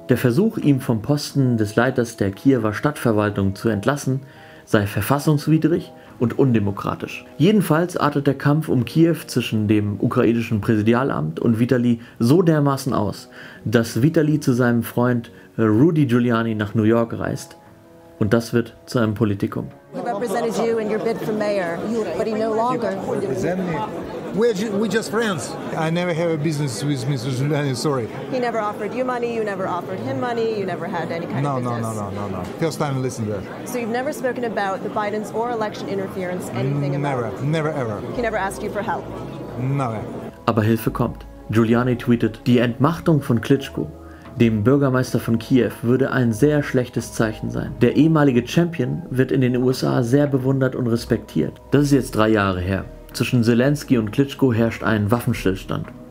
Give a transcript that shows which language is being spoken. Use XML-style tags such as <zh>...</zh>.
<de>Der Versuch, ihn vom Posten des Leiters der Kiewer Stadtverwaltung zu entlassen, sei verfassungswidrig und undemokratisch. Jedenfalls artet der Kampf um Kiew zwischen dem ukrainischen Präsidialamt und Vitali so dermaßen aus, dass Vitali zu seinem Freund Rudy Giuliani nach New York reist. Und das wird zu einem Politikum.</de> <en>He represented you in your bid for mayor, but he no longer. Represent me? We're just friends. I never have a business with Mr. Giuliani, sorry. He never offered you money, you never offered him money, you never had any kind of business. No. First time I listened to that. So you've never spoken about the Bidens or election interference, anything never, about? Never, ever. He never asked you for help? Never.</en> <de>Aber Hilfe kommt. Giuliani tweetet, die Entmachtung von Klitschko, dem Bürgermeister von Kiew, würde ein sehr schlechtes Zeichen sein. Der ehemalige Champion wird in den USA sehr bewundert und respektiert. Das ist jetzt 3 Jahre her. Zwischen Zelensky und Klitschko herrscht ein Waffenstillstand.</de>